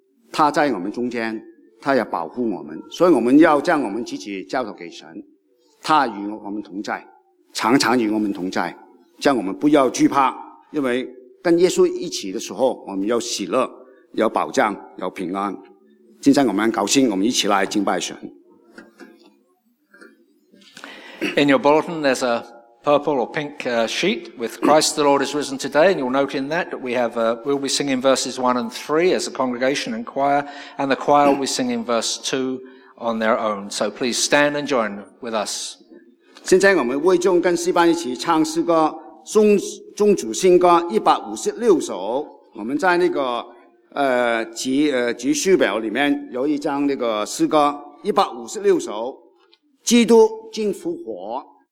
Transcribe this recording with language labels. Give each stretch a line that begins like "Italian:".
Chinese: 他在我们中间，他要保护我们，所以我们要将我们自己交托给神，他与我们同在，常常与我们同在，将我们不要惧怕，因为跟耶稣一起的时候，我们有喜乐，有保障，有平安。现在我们很高兴，我们一起来敬拜神。
English: In your bulletin, there's a purple or pink sheet with Christ the Lord is risen today, and you'll note in that that we'll be singing verses 1 and 3 as a congregation and choir, and the choir will be singing verse 2 on their own. So please stand and join with us.
Chinese: 现在我们为众跟诗班一起唱诗歌宗主新歌156首，我们在那个集序表里面有一张那个诗歌156首，基督竟复活。